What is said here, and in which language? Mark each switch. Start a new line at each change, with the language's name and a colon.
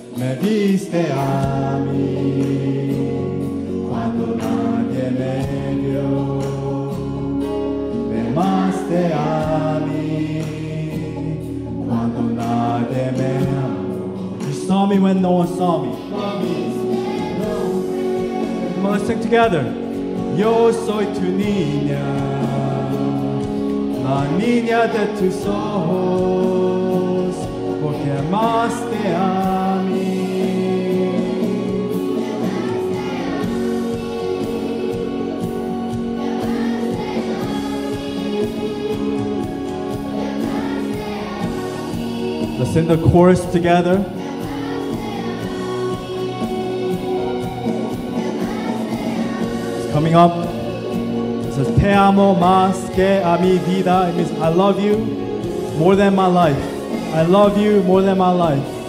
Spanish: Me viste a mí cuando nadie me vio. Me amaste a mí cuando nadie me amó.
English: You saw me when no one saw me. Come on, let's sing together.
Spanish: Yo soy tu niña, la niña de tus ojos. Porque amaste a mí.
English: Let's sing the chorus together. It's coming up. It says,
Spanish: te amo más que a mi vida.
English: It means I love you more than my life. I love you more than my life.